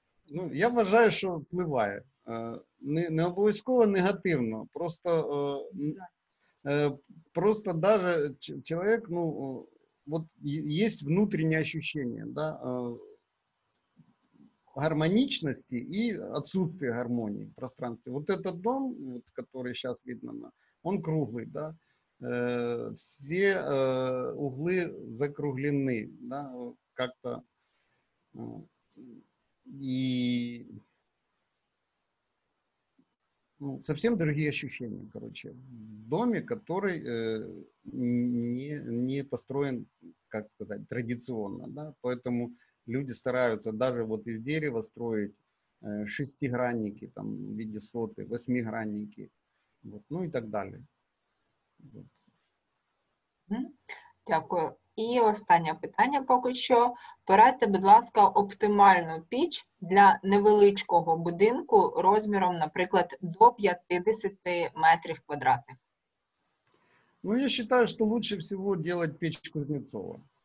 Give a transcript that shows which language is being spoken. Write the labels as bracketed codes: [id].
[uk] Ну, я вважаю, що впливає. Не обов'язково негативно, просто, просто навіть чоловік, ну, от є внутрішнє відчуття, да, гармонічності і відсутності гармонії в пространстві. От цей дом, от, який зараз видно, він круглий, да, всі угли закруглені, да, як-то, і... [ru] Ну, совсем другие ощущения, короче, в доме, который не построен, как сказать, традиционно, да, поэтому люди стараются даже вот из дерева строить шестигранники, там, в виде соты, восьмигранники, вот, ну и так далее. Вот. [uk] Дякую. І останнє питання поки що. Порадьте, будь ласка, оптимальну піч для невеличкого будинку розміром, наприклад, до 50 метрів квадратних. Ну, я вважаю, що краще всього робити піч Кузнецова.